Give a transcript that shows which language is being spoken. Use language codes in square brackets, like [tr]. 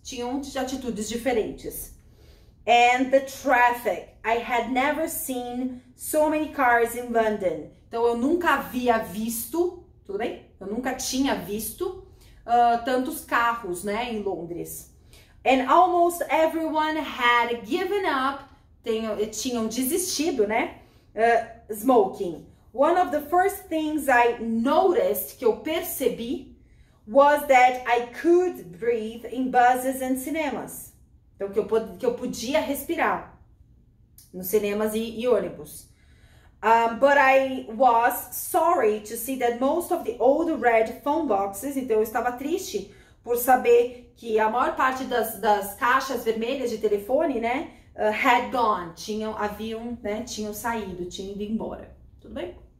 [pt] Tinham atitudes diferentes. [en] And the traffic. I had never seen so many cars in London. [pt] Então, eu nunca havia visto, tudo bem? Eu nunca tinha visto tantos carros, né, em Londres. [en] And almost everyone had given up, [pt] tinham desistido, [en] né, smoking. One of the first things I noticed, [pt] que eu percebi, [en] was that I could breathe in buses and cinemas. [pt] Então, que eu podia respirar nos cinemas e ônibus. [en] But I was sorry to see that most of the old red phone boxes, [pt] então eu estava triste por saber que a maior parte das caixas vermelhas de telefone, né, [en] had gone, [pt] tinham saído, tinham ido embora, tudo bem?